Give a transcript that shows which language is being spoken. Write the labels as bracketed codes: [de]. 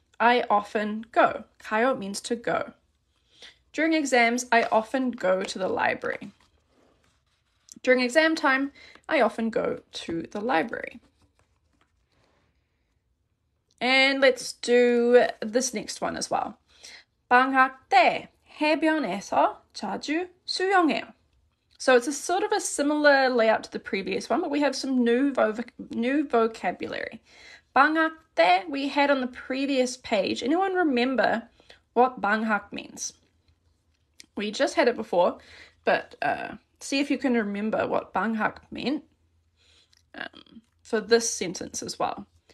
[en] I often go. Kayo means to go. During exams, I often go to the library. During exam time, I often go to the library. And let's do this next one as well. [ko] 방학 때 해변에서 자주 수영해요. [en] So it's a sort of a similar layout to the previous one, but we have some new vocabulary. 방학 때 we had on the previous page. Anyone remember what 방학 means? We just had it before, but see if you can remember what 방학 meant for this sentence as well.